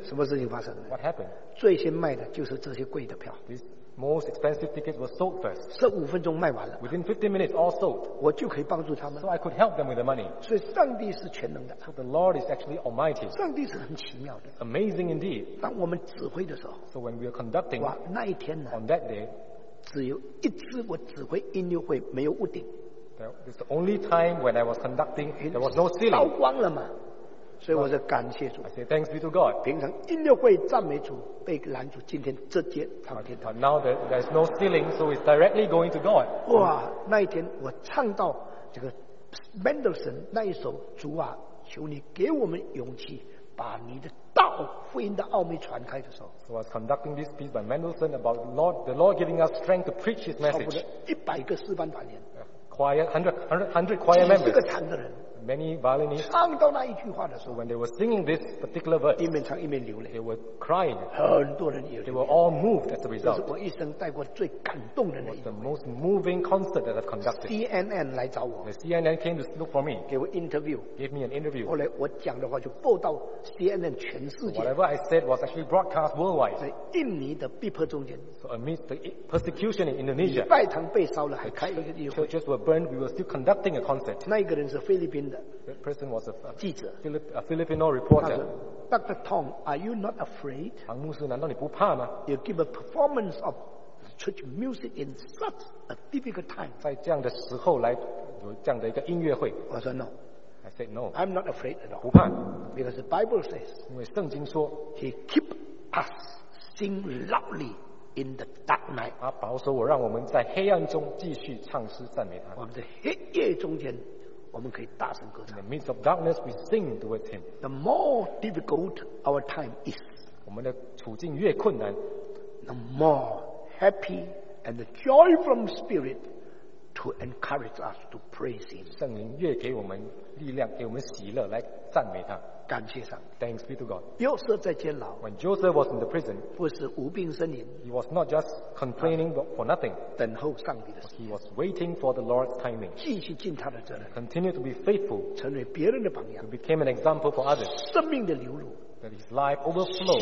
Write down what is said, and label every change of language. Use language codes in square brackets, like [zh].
[en] What happened? These most expensive tickets were sold first. Within 15 minutes, all sold. So I could help them with the money. So the Lord is actually almighty. Amazing indeed. So when we are conducting, [zh] 哇, 那一天呢, [en] on that day, [zh] 只有一次我指挥音乐会没有屋顶, [en] it was the only time when I was conducting, there was no ceiling. [zh] 烧光了嘛。所以我就感谢主。 [en] I say thanks be to God. [zh] 平常音乐会赞美主被拦住，今天直接唱天堂。 [en] Now that there's no ceiling, so it's directly going to God. [zh] 哇，那一天我唱到这个 Mendelssohn 那一首主啊，求你给我们勇气，把你的道福音的奥秘传开的时候。 [en] So I was conducting this piece by Mendelssohn about the Lord giving us strength to preach His message. [zh] 超过了100个四班团员。 [en] 100 choir members. [zh] 几十个弹的人。 [en] Many violinists, [zh] 唱到那一句话的时候, [en] when they were singing this particular verse, [zh] 一面唱一面流泪, [en] they were crying. [zh] 很多人也流泪, [en] they were all moved as a result. [zh] 这是我一生带过最感动的人。 [en] It was the most moving concert that I've conducted. [zh] CNN 来找我, [en] the CNN came to look for me, [zh] 给我 interview, [en] gave me an interview. [zh] 后来我讲的话就报到 CNN 全世界。 [en] Whatever I said was actually broadcast worldwide. [zh] 在印尼的逼迫中间, [en] so amidst the persecution in Indonesia, [zh] 礼拜堂被烧了还开一个音乐会, [en] churches were burned, we were still conducting a concert. [zh] 那一个人是菲律宾。 [en] That person was a Filipino reporter. Dr. Tong, are you not afraid? [zh] 唐牧师，难道你不怕吗？ [en] You give a performance of church music in such a difficult time. [zh] 在这样的时候来有这样的一个音乐会。我说 [en] no. I said no. I'm not afraid at all. [zh] 不怕。 [en] Because the Bible says, [zh] 因为圣经说, [en] He keep us sing loudly in the dark night. [zh] 他保守我，让我们在黑暗中继续唱诗赞美他。我们在黑夜中间。我们可以大声歌唱。 [en] In the midst of darkness, we sing towards Him. The more difficult our time is, [zh] 我们的处境越困难， [en] the more happy and the joy from Spirit to encourage us to praise Him. [zh] 圣灵越给我们力量，给我们喜乐来赞美他。感谢上帝。 [en] Thanks be to God. [zh] 约瑟在监牢。 [en] When Joseph was in the prison, [zh] 不是无病呻吟。 [en] He was not just complaining but for nothing. [zh] 等候上帝的。 [en] He was waiting for the Lord's timing. [zh] 继续尽他的责任。 [en] Continue to be faithful. [zh] 成为别人的榜样。 [en] He became an example for others. [zh] 生命的流露。 [en] That his life overflowed.